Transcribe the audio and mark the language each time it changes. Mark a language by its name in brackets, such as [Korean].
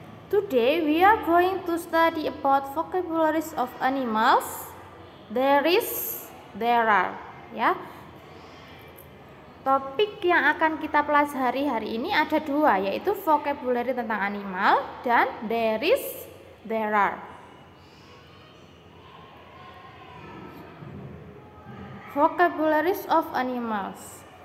[English] Today we are going to study about vocabularies of animals. There are. Ya. [Indonesian] Topik yang akan kita pelajari hari ini ada dua, yaitu vocabulary tentang animal dan [English] there are. Vocabularies of animals.